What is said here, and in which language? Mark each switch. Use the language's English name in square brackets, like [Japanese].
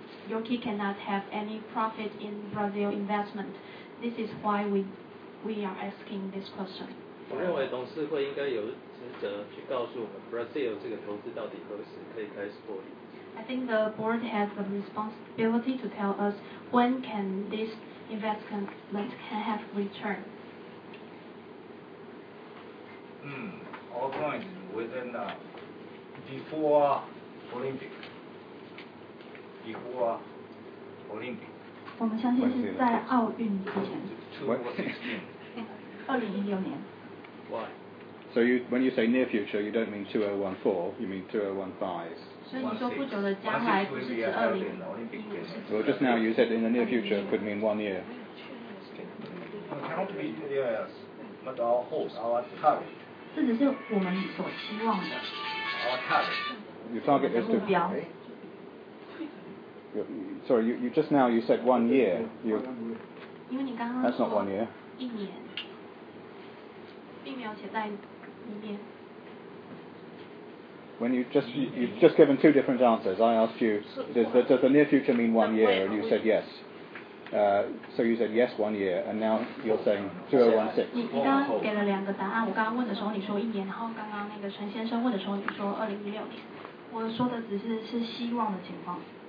[English] Yoki cannot have any profit in Brazil investment. This is why we are asking this question. [Chinese] 我认为董事会应该有职责去告诉我们 Brazil 这个投资到底何时可以开始获利。 [English] I think the board has the responsibility to tell us when can this investment can have return. All point is within before Olympic. Before Olympic. [Chinese] 我们相信是在奥运之前。 2016年。 [English] Why? So you, when you say near future, you don't mean 2014, you mean 2015. 2016. Well, just now you said in the near future could mean 1 year. Can't be 2 years, but our hope, our target. [Chinese] 这只是我们所期望的。 [English] Our target. Your target is to. [Chinese] 目标。 [English] Sorry, you just now you said 1 year. You. [Chinese] 因为你刚刚说。 [English] That's not 1 year. [Chinese] 一年，并没有写在里面。 [English] When you've just given two different answers, I asked you, does the near future mean 1 year? And you said yes. So you said yes, 1 year, and now you're saying 2016. [Chinese] 你刚刚给了两个答案，我刚刚问的时候你说一年，然后刚刚那个陈先生问的时候你说2016年。我说的只是是希望的情况。